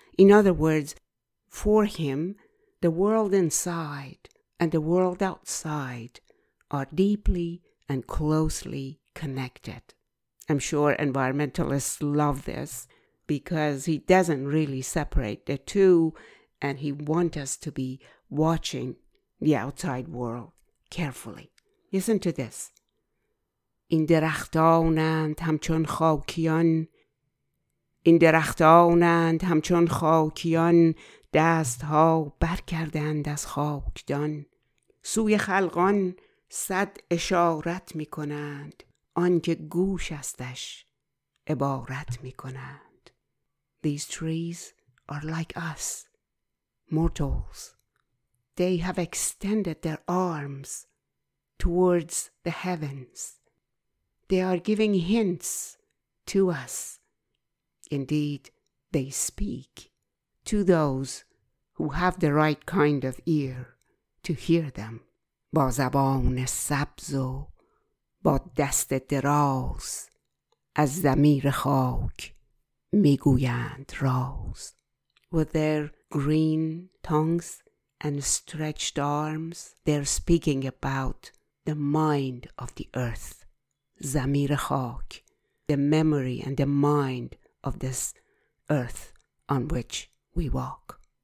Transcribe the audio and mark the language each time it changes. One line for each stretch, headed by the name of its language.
English: In other words, for him, the world inside and the world outside are deeply and closely connected. I'm sure environmentalists love this because he doesn't really separate the two, and he wants us to be watching the outside world carefully. Listen to this.
Persian: این درختانند همچون خاکیان، این درختانند همچون خاکیان، دست ها بر کردند از خاکدان، سوی خلقان صد اشارت می کنند، آن که گوش استش عبارت می کنند.
English: These trees are like us, mortals. They have extended their arms towards the heavens. They are giving hints to us. Indeed, they speak to those who have the right kind of ear to hear them.
Persian: با زبان سبز و با دست دراز از ضمیر خاک میگویند راز.
English: With their green tongues and stretched arms, they're speaking about the mind of the earth. Zamir khak, the memory and the mind of this earth on which we walk.